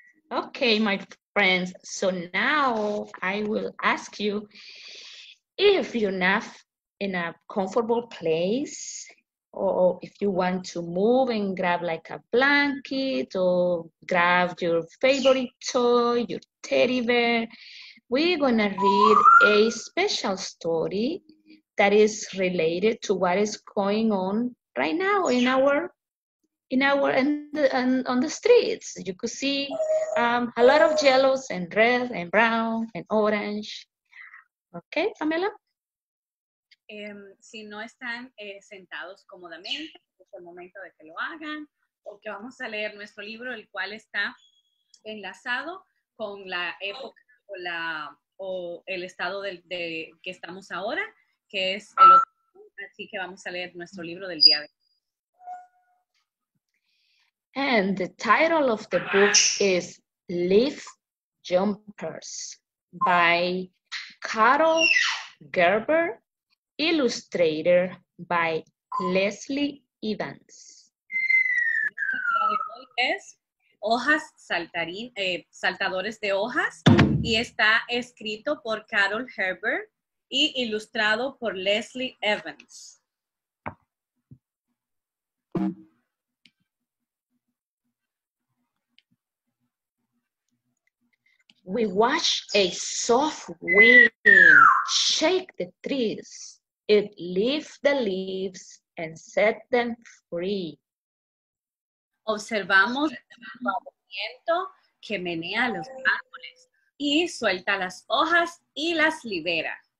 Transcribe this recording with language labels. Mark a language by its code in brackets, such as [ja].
[en] Okay, my friends, so now I will ask you, if you're not in a comfortable place, or if you want to move and grab like a blanket, or grab your favorite toy, your teddy bear, we're gonna read a special story that is related to what is going on right now in our on the streets. You could see a lot of yellows and red and brown and orange. Okay, Pamela? [es] Si no están sentados cómodamente, es el momento de que lo hagan, porque vamos a leer nuestro libro, el cual está enlazado con la época o el estado de que estamos ahora, que es el otro. Así que vamos a leer nuestro libro del día de hoy. [en] And the title of the book is Leaf Jumpers by Carol Gerber, illustrated by Leslie Evans. [es] Es Hojas Saltarín, Saltadores de Hojas, y está escrito por Carol Gerber y ilustrado por Leslie Evans. [en] We watch a soft wind shake the trees. It lifts the leaves and set them free. [es] Observamos el movimiento que menea los árboles y suelta las hojas y las libera.